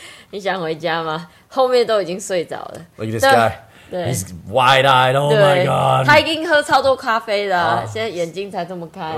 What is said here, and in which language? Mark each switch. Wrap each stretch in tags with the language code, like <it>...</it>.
<zh>你想回家吗后面都已经睡着了</zh> <en>Look at this guy He's wide-eyed, oh my god.</en> <zh>他已经喝超多咖啡了、啊、现在眼睛才这么开、啊。</zh>